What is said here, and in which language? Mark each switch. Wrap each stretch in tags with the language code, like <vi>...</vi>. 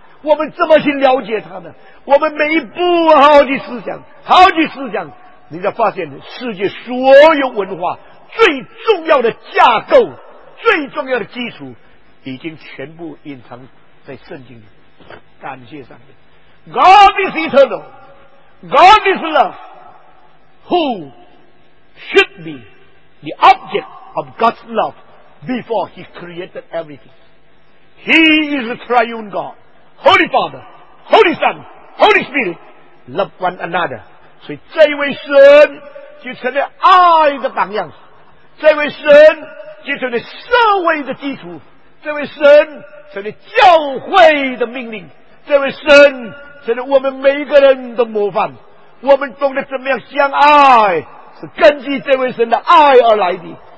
<zh>我们怎么去了解他呢？我们每一步好几思想，好几思想，你才发现世界所有文化最重要的架构、最重要的基础已经全部隐藏在圣经里。感谢上帝。</zh> <en>God is eternal, God is love, who should be the object of God's love before he created everything. He is the triune GodHoly Father, Holy Son, Holy Spirit, love one another.</en> <zh>所以这一位神就成了爱的榜样，这位神就成了社会的基础，这位神成了教会的命令，这位神成了我们每一个人的模范。我们懂得怎么样相爱，是根据这位神的爱而来的。</zh>